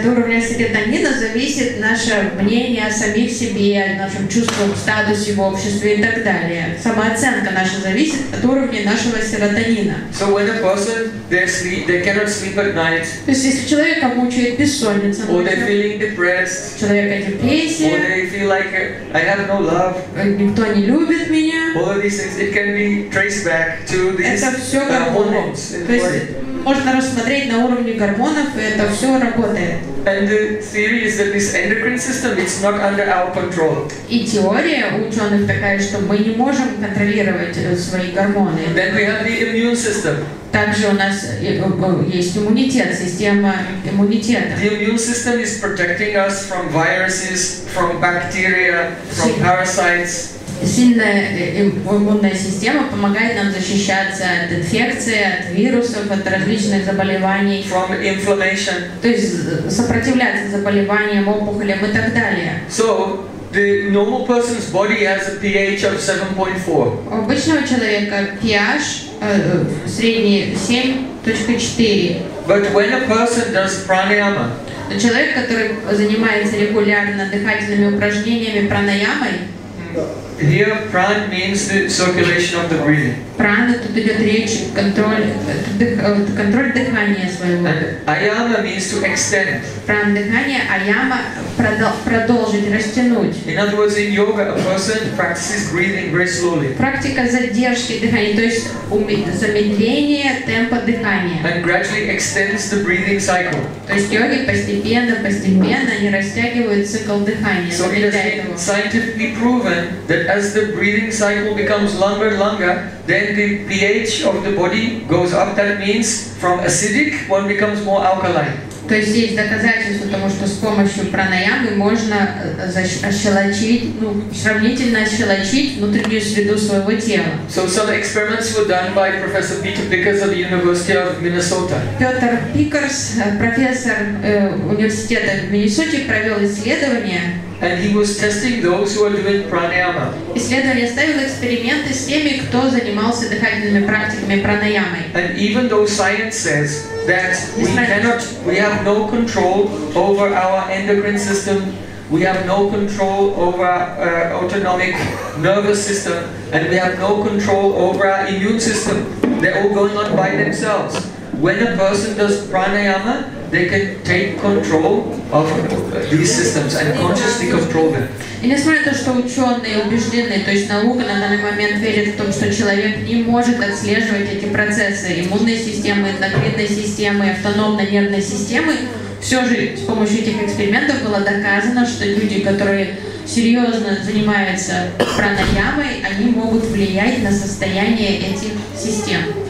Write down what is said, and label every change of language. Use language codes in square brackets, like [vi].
[ru] От уровня серотонина зависит наше мнение о самих себе, о нашем чувстве, статусе в обществе и так далее. Самооценка наша зависит от уровня нашего серотонина. [en] So when a person they cannot sleep at night. [ru] То есть если человека мучает бессонница, [en] or they're feeling depressed, [ru] человека депрессия, [en] or they feel like I have no love, [ru] никто не любит меня. [en] It can be traced back to these hormones. [ru] Можно рассмотреть на уровне гормонов, и это все работает. [en] And the theory is that this endocrine system is not under our control. [ru] И теория ученых такая, что мы не можем контролировать свои гормоны. [en] Then we have the immune system. [ru] Также у нас есть иммунитет, система иммунитета. [en] The immune system is protecting us from viruses, from bacteria, from parasites. [ru] Сильная иммунная система помогает нам защищаться от инфекции, от вирусов, от различных заболеваний. [en] From inflammation. [ru] То есть сопротивляться заболеваниям, опухолям и так далее. [en] So, the normal person's body has a pH of 7.4. [ru] У обычного человека pH средний 7.4. [en] But when a person does pranayama, [ru] человек, который занимается регулярно дыхательными упражнениями, пранаямой, [en] here pran means the circulation of the breathing. [ru] Prana, тут идет речь, контроль дыхания своего. [en] Ayama means to extend. [ru] Pran дыхание, ayama продолжить, растянуть. [en] In other words, in yoga, a person practices breathing very slowly. [ru] Практика задержки дыхания, то есть замедление темпа дыхания. [en] And gradually extends the breathing cycle. [ru] То есть йоги постепенно они растягивают цикл дыхания. [en] So it has been scientifically proven that as the breathing cycle becomes longer and longer, then the pH of the body goes up. That means from acidic, one becomes more alkaline. [ru] То есть есть доказательство тому, что с помощью пранаямы можно ощелочить, ну, сравнительно ощелочить внутреннюю среду своего тела. [en] So some experiments were done by Professor Peter Pickers of the University of Minnesota. [ru] Петр Пикерс, профессор университета в Миннесоте, провел исследование. [en] And he was testing those who were doing pranayama. [ru] Исследование ставило эксперименты с теми, кто занимался дыхательными практиками пранаямой. [en] And even though science says that we have no control over our endocrine system, we have no control over our autonomic nervous system, and we have no control over our immune system, they're all going on by themselves. When a person does pranayama, they can take control of these systems and consciously control them. [ru] И несмотря на то, что ученые убеждены, то есть наука на данный момент верит в том, что человек не может отслеживать эти процессы иммунной системы, эндокринной системы, автономной нервной системы, все же с помощью этих экспериментов было доказано, что люди, которые серьезно занимаются пранаямой, они могут влиять на состояние этих систем.